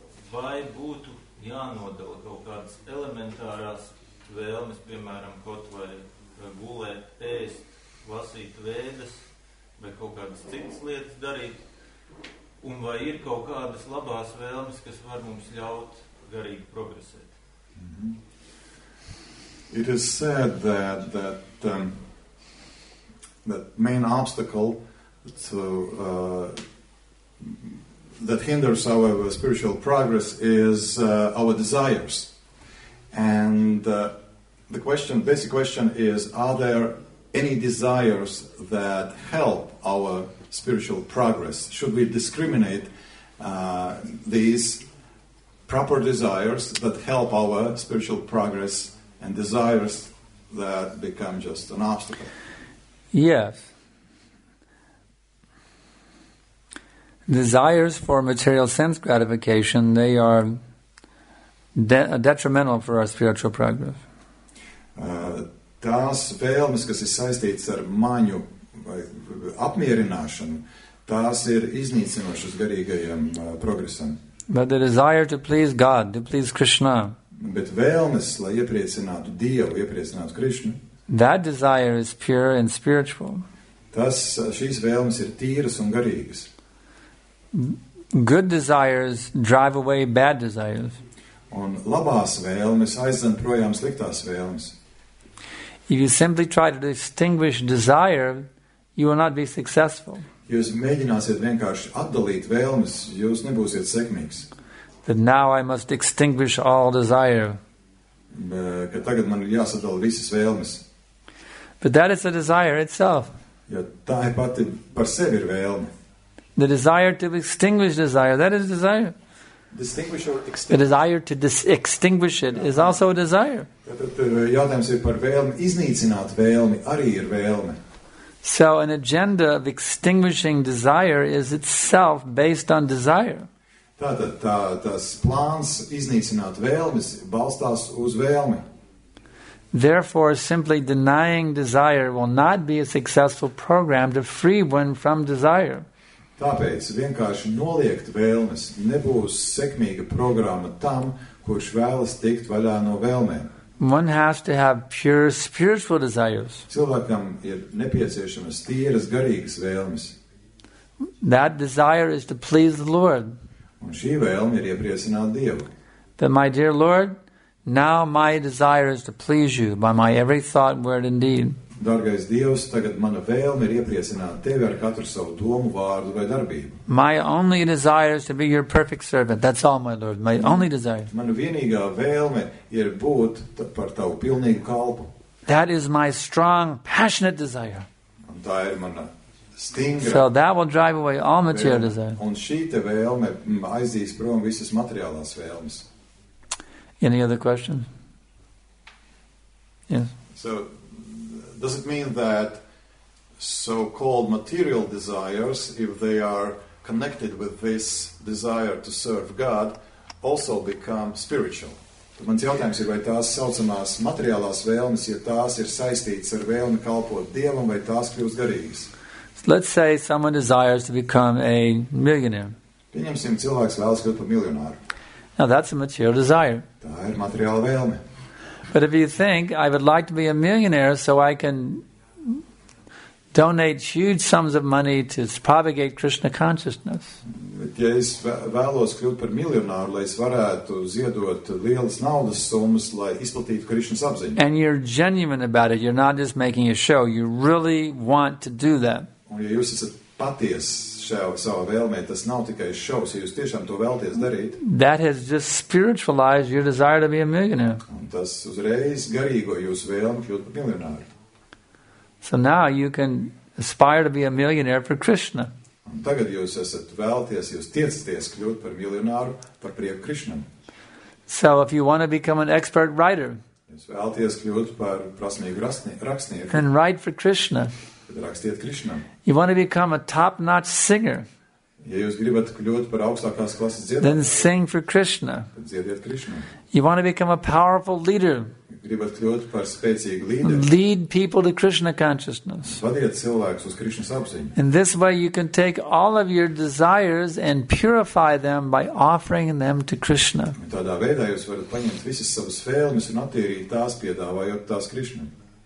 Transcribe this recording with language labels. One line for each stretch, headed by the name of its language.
Latvian: Vai būtu jānodala kaut kādas elementārās vēlmes, piemēram, kaut vai gulēt, ēst, lasīt vēdas, vai kaut kādas citas lietas darīt, un vai ir kaut kādas labās vēlmes, kas var mums ļaut garīgi progresēt? Mm-hmm.
English: It is said that that main obstacle to that hinders our spiritual progress is our desires, and the question, basic question, is: are there any desires that help our spiritual progress? Should we discriminate these proper desires that help our spiritual progress and desires that become just an obstacle? Yes. Desires for material sense gratification, they are detrimental for our spiritual progress.
Latvian: Tās vēlmes, kas ir saistītas ar maņu vai apmierināšanu, tās ir iznīcinošas garīgajam progresam.
English: But the desire to please God, to please Krishna,
Latvian: bet vēlmes, lai iepriecinātu Dievu, iepriecinātu Krišnu.
English: That desire is pure and spiritual.
Latvian: Tas, šīs vēlmes ir tīras un garīgas.
English: Good desires drive away bad desires.
Latvian: Un labās vēlmes aizdzen projām sliktās vēlmes.
English: If you simply try to distinguish desire, you will not be successful.
Latvian: Jūs mēģināsiet vienkārši atdalīt vēlmes, jūs nebūsiet sekmīgs.
English: That now I must extinguish all desire.
Latvian: Kad tagad man ir jāsadala visas vēlmes.
English: But that is a desire itself.
Latvian: Jo tā ir pati par sevi ir vēlme.
English: The desire to extinguish desire, that is desire. Distinguish or extinguish. The desire to extinguish it is also a desire.
Latvian: Tad jautājums ir par vēlmi, iznīcināt vēlmi, arī ir vēlme.
English: So an agenda of extinguishing desire is itself based on desire.
Latvian: Tātad tas plāns iznīcināt vēlmes balstās uz vēlmi.
English: Therefore, simply denying desire will not be a successful program to free one from desire.
Latvian: Tāpēc vienkārši noliegt vēlmes nebūs sekmīga programma tam, kurš vēlas tikt vaļā no vēlmēm.
English: One has to have pure spiritual desires.
Latvian: Cilvēkam ir nepieciešamas tīras garīgas vēlmes.
English: That desire is to please the Lord.
Latvian: Un šī vēlme ir iepriecināt Dievu.
English: But my dear Lord, now my desire is to please you by my every thought, word and deed.
Latvian: Dargais Dievs, tagad mana vēlme ir iepriecināt Tevi ar katru savu domu, vārdu vai darbību.
English: My only desire is to be your perfect servant. That's all, my Lord, my only desire.
Latvian: Mana vienīgā vēlme ir būt par Tavu pilnīgu kalpu.
English: That is my strong, passionate desire.
Latvian: Un tā ir mana stingra.
English: So that will drive away all material desire.
Latvian: Un šī te vēlme aizdīs prom visas materiālās vēlmes.
English: Any other questions? Yes. So does it mean that so-called material desires, if they are connected with this desire to serve God, also become spiritual?
Latvian: Mans jautājums ir, vai tās saucamās materiālās vēlmes, ja tās ir saistītas ar vēlmi kalpot Dievam, vai tās kļūst garīgas?
English: Let's say someone desires to become a millionaire.
Latvian: Pieņemsim, cilvēks vēlas kļūt par miljonāru.
English: Now that's a material desire.
Latvian: Tā ir materiāla vēlme.
English: But if you think, I would like to be a millionaire so I can donate huge sums of money to propagate Krishna consciousness.
Latvian: Bet ja es vēlos kļūt par miljonāru, lai es varētu ziedot lielas naudas summas, lai izplatītu Krišnas apziņu.
English: And you're genuine about it. You're not just making a show. You really want to do that.
Latvian: Un, ja jūs esat patiesi savā vēlmē, tas nav tikai šovs, ja jūs tiešām to vēlties darīt.
English: That has just spiritualized your desire to be a millionaire.
Latvian: Un tas uzreiz garīgo jūsu vēlmi kļūt par miljonāru.
English: So now you can aspire to be a millionaire for Krishna.
Latvian: Un tagad jūs esat vēlties, jūs tiecaties kļūt par miljonāru par prieku Krišnam.
English: So if you want to become an expert writer,
Latvian: jūs vēlties kļūt par prasmīgu rakstnieku,
English: then write for Krishna.
Latvian: Rakstiet Krišnam.
English: You want to become a top-notch singer,
Latvian: ja jūs gribat kļūt par augstākās klases dziedātāju,
English: then sing for Krishna.
Latvian: Tad dziediet Krišnam.
English: You want to become a powerful leader,
Latvian: gribat kļūt par spēcīgu līderi,
English: lead people to Krishna consciousness.
Latvian: Vadiet cilvēkus uz Krišnas apziņu.
English: In this way you can take all of your desires and purify them by offering them to Krishna.
Latvian: Tādā veidā jūs varat paņemt visas savas vēlmes un attīrīt tās, piedāvājot tās Krišnam.